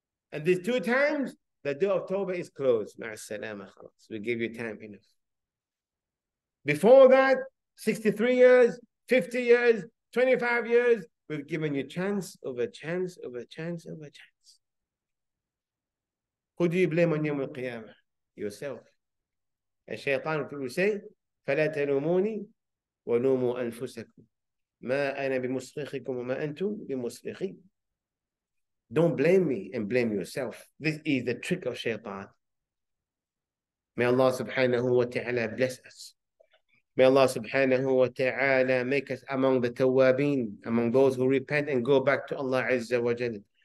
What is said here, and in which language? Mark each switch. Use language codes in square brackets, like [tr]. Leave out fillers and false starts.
[en] And these two times, the door of Tawbah is closed. Ma'a salama khalas. We give you time enough. Before that, 63 years, 50 years, 25 years, we've given you chance over chance over chance over chance. Who do you blame on Yawm al-Qiyamah? Yourself. As Shaytan will say, [ar] فَلَا تَلُومُونِي وَلُومُوا أَنفُسَكُمْ مَا أَنَا بِمُسْرِخِكُمْ وَمَا أَنْتُمْ بِمُسْرِخِي. [en] Don't blame me and blame yourself. This is the trick of shaitan. May Allah subhanahu wa ta'ala bless us. May Allah subhanahu wa ta'ala make us among the tawabin, among those who repent and go back to Allah azza wa jalla.